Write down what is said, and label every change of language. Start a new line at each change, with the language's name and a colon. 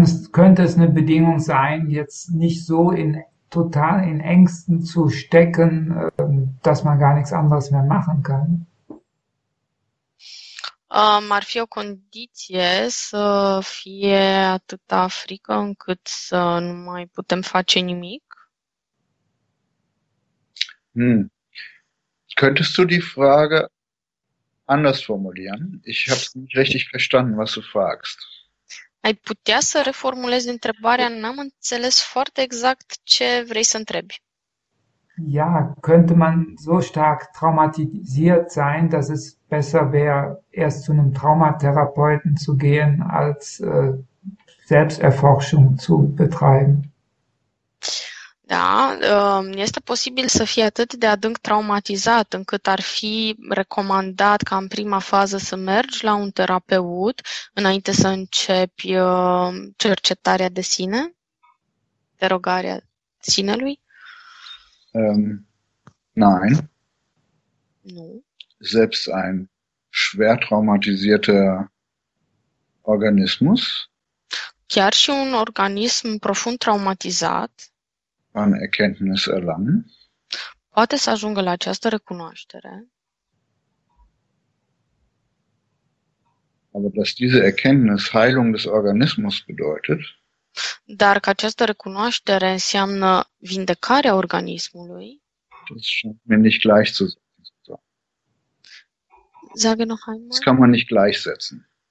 German: Könnte es eine Bedingung sein, jetzt nicht so in total in Ängsten zu stecken, dass man gar nichts anderes mehr machen kann?
Romanian: Ar fi o condiție să fie atâta frică încât să nu mai putem face nimic?
German: Könntest du die Frage anders formulieren? Ich habe es nicht richtig verstanden, was du fragst.
Romanian: Ai putea să reformulezi întrebarea? N-am înțeles foarte exact ce vrei să întrebi.
German: Ja, könnte man so stark traumatisiert sein, dass es besser wäre, erst zu einem Traumatherapeuten zu gehen, als Selbsterforschung zu betreiben?
Romanian: Da, este posibil să fie atât de adânc traumatizat încât ar fi recomandat ca în prima fază să mergi la un terapeut înainte să începi cercetarea de sine, interogarea sinelui?
German: Nein.
Romanian: Nu.
German: Selbst ein schwer traumatisierter Organismus,
Romanian: Chiar și un organism profund traumatizat
German: kann Erkenntnis erlangen.
Romanian: poate să ajungă la această recunoaștere.
German: Aber dass diese Erkenntnis Heilung des Organismus bedeutet,
Romanian: Dar că această recunoaștere înseamnă vindecarea organismului.
German: das scheint mir nicht gleichzusetzen. Sage noch Das kann einmal. man nicht gleichsetzen.